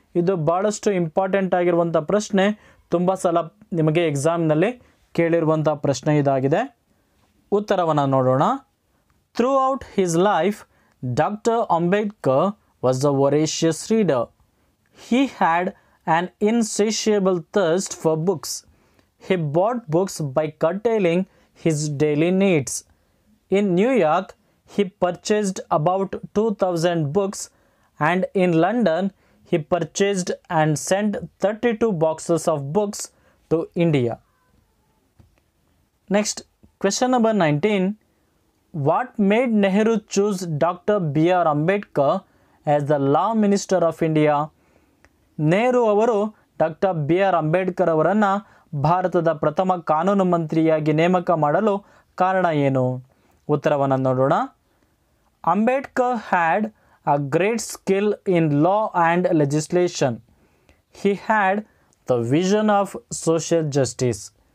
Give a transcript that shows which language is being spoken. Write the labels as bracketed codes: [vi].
[kn] ಇದು ಭಾಳಷ್ಟು ಇಂಪಾರ್ಟೆಂಟ್ ಆಗಿರುವಂಥ ಪ್ರಶ್ನೆ, ತುಂಬ ಸಲ ನಿಮಗೆ ಎಕ್ಸಾಮ್ನಲ್ಲಿ ಕೇಳಿರುವಂಥ ಪ್ರಶ್ನೆ ಇದಾಗಿದೆ. ಉತ್ತರವನ್ನು ನೋಡೋಣ. [en] Throughout his life doctor Ambedkar was a voracious reader. He had an insatiable thirst for books. He bought books by curtailing his daily needs. In New York, he purchased about 2,000 books, and in London, he purchased and sent 32 boxes of books to India. Next, question number 19. What made Nehru choose Dr. B.R. Ambedkar as the law minister of India? [kn] Nehru avaru Dr. B.R. Ambedkar avaranna ಭಾರತದ ಪ್ರಥಮ ಕಾನೂನು ಮಂತ್ರಿಯಾಗಿ ನೇಮಕ ಮಾಡಲು ಕಾರಣ ಏನು? ಉತ್ತರವನ್ನು ನೋಡೋಣ. [en] Ambedkar had a great skill in law and legislation. He had the vision of social justice.